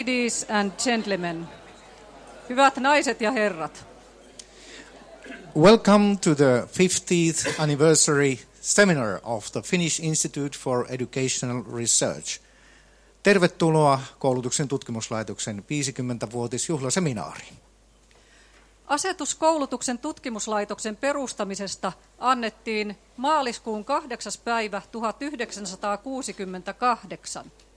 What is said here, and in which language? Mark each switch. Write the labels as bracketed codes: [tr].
[en] Ladies and gentlemen, [fi] hyvät naiset ja herrat. [en] Welcome to the 50th anniversary seminar of the Finnish Institute for Educational Research. [fi] Tervetuloa koulutuksen tutkimuslaitoksen 50-vuotisjuhlaseminaariin. Asetus koulutuksen tutkimuslaitoksen perustamisesta annettiin maaliskuun 8. päivä 1968.